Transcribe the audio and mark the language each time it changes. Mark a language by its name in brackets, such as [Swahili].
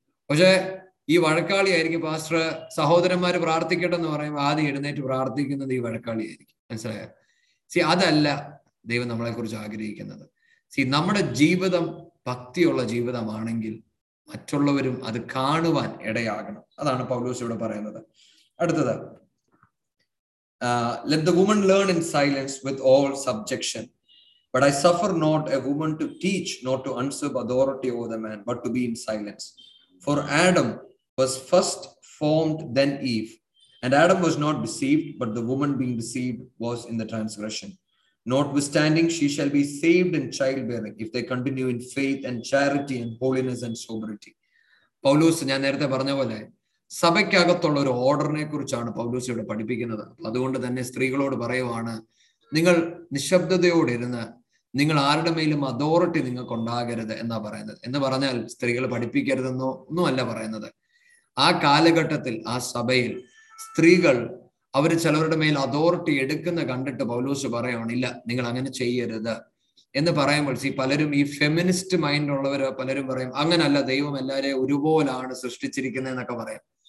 [Malayalam] പക്ഷേ ഈ വഴക്കാളി ആയിരിക്കും പാസ്റ്റർ സഹോദരന്മാർ പ്രാർത്ഥിക്കട്ടെ എന്ന് പറയുമ്പോൾ ആദ്യം എഴുന്നേറ്റ് പ്രാർത്ഥിക്കുന്നത് ഈ വഴക്കാളി ആയിരിക്കും. മനസ്സിലായോ? സി, അതല്ല ദൈവം നമ്മളെ കുറിച്ച് ആഗ്രഹിക്കുന്നത്. സി, നമ്മുടെ ജീവിതം ഭക്തിയുള്ള ജീവിതമാണെങ്കിൽ മറ്റുള്ളവരും അത് കാണുവാൻ ഇടയാകണം. അതാണ് പൗലോസ് ഇവിടെ പറയുന്നത്. [English] അടുത്തത്, let the woman learn in silence with all subjection, but I suffer not a woman to teach nor to usurp authority over the man, but to be in silence. For Adam was first formed, then Eve, and Adam was not deceived, but the woman being deceived was in the transgression. Notwithstanding, she shall be saved in childbearing if they continue in faith and charity and holiness and sobriety. [Malayalam] പൗലോസ് ഞാൻ നേരത്തെ പറഞ്ഞ പോലെ സഭയ്ക്കകത്തുള്ള ഒരു ഓർഡറിനെ കുറിച്ചാണ് പൗലോസ് ഇവിടെ പഠിപ്പിക്കുന്നത്. അപ്പൊ അതുകൊണ്ട് തന്നെ സ്ത്രീകളോട് പറയുവാണ്, നിങ്ങൾ നിശബ്ദതയോടെ ഇരുന്ന് നിങ്ങൾ ആരുടെ മേലും അതോറിറ്റി നിങ്ങൾക്ക് ഉണ്ടാകരുത് എന്നാ പറയുന്നത്. എന്ന് പറഞ്ഞാൽ സ്ത്രീകൾ പഠിപ്പിക്കരുതെന്നോ ഒന്നും അല്ല പറയുന്നത്. ആ കാലഘട്ടത്തിൽ ആ സഭയിൽ സ്ത്രീകൾ അവർ ചിലവരുടെ മേൽ അതോറിറ്റി എടുക്കുന്ന കണ്ടിട്ട് പൗലോസ് പറയുകയാണ്, ഇല്ല നിങ്ങൾ അങ്ങനെ ചെയ്യരുത് എന്ന് പറയുമ്പോൾ ഈ പലരും ഈ ഫെമിനിസ്റ്റ് മൈൻഡ് ഉള്ളവർ പലരും പറയും അങ്ങനല്ല, ദൈവം എല്ലാവരെയും ഒരുപോലാണ് സൃഷ്ടിച്ചിരിക്കുന്നത് എന്നൊക്കെ പറയാം.